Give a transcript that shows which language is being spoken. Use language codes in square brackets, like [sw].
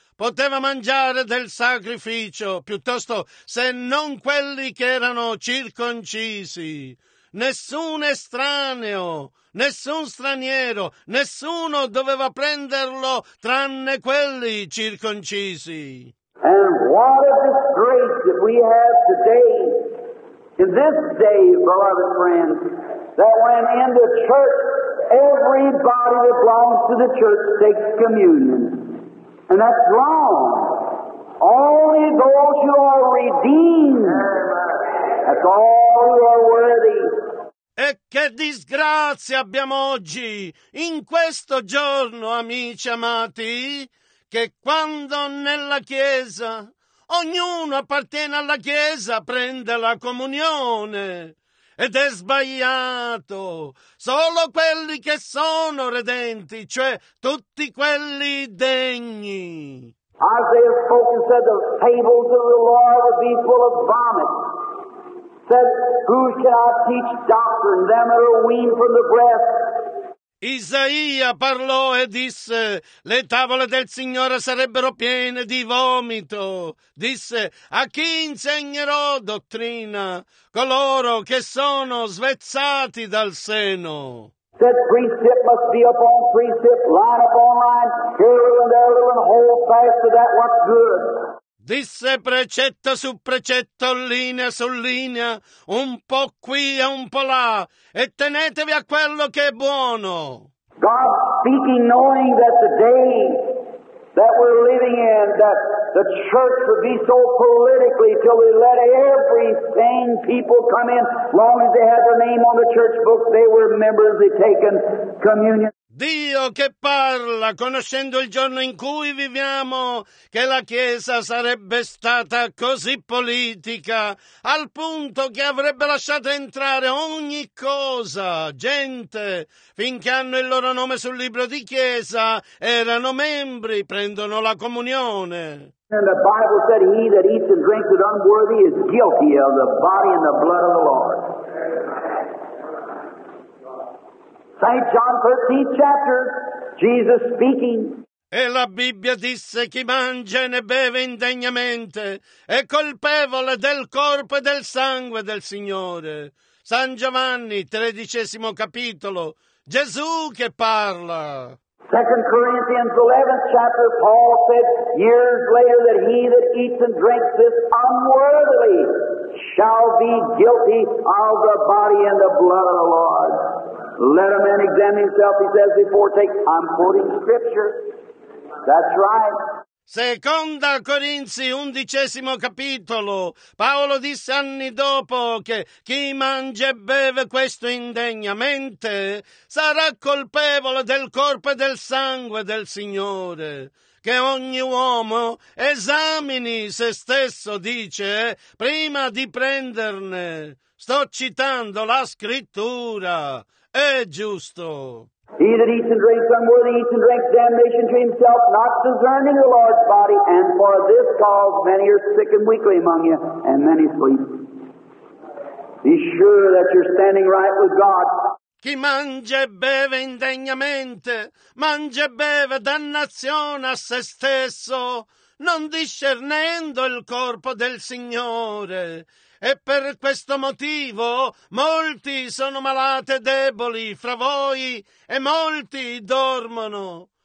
[it] poteva mangiare del sacrificio, piuttosto se non quelli che erano circoncisi. Nessun estraneo, nessun straniero, nessuno doveva prenderlo tranne quelli circoncisi. [en] And what a disgrace that we have today, in this day, beloved friends, that when in the church everybody that belongs to the church takes communion. And that's wrong. Only those who are redeemed, that's all who are worthy. [it] E che disgrazia abbiamo oggi, in questo giorno, amici amati, che quando nella Chiesa, ognuno appartiene alla Chiesa, prende la comunione. Ed è sbagliato. Solo quelli che sono redenti, cioè tutti quelli degni. [en] Isaiah spoke and said the tables of the Lord would be full of vomit. Said, who can I teach doctrine, them that are weaned from the breast? [it] Isaia parlò e disse, le tavole del Signore sarebbero piene di vomito. Disse, a chi insegnerò dottrina? Coloro che sono svezzati dal seno. [en] Said precept must be upon precept, line upon line, here and there and hold fast to that what's good. [it] Disse precetto su precetto, linea su linea, un po' qui e un po' là, e tenetevi a quello che è buono. [en] God speaking, knowing that the day that we're living in, that the church would be so politically till we let everything people come in, long as they had their name on the church book, they were members, they taken communion. [it] Dio che parla, conoscendo il giorno in cui viviamo, che la Chiesa sarebbe stata così politica, al punto che avrebbe lasciato entrare ogni cosa, gente, finché hanno il loro nome sul libro di Chiesa, erano membri, prendono la comunione. [en] And the Bible said he that eats and drinks is unworthy is guilty of the body and the blood of the Lord. St. John 13 chapter, Jesus speaking. [it] E la Bibbia disse, chi mangia e ne beve indegnamente è colpevole del corpo e del sangue del Signore. San Giovanni, 13 capitolo, Gesù che parla. [en] 2 Corinthians 11 chapter, Paul said years later that he that eats and drinks this unworthily shall be guilty of the body and the blood of the Lord. Let a man examine himself, he says, before take. I'm quoting scripture. That's right. [it] Seconda Corinzi, 11 capitolo. Paolo disse anni dopo che chi mangia e beve questo indegnamente sarà colpevole del corpo e del sangue del Signore. Che ogni uomo esamini se stesso, dice, prima di prenderne. Sto citando la scrittura. È giusto. [en] He that eats and drinks unworthy eats and drinks damnation to himself, not discerning the Lord's body, and for this cause many are sick and weakly among you, and many sleep. Be sure that you're standing right with God. [it] Chi mangia e beve indegnamente, mangia e beve dannazione a se stesso, non discernendo il corpo del Signore. E per questo motivo molti sono malati e deboli fra voi e molti dormono.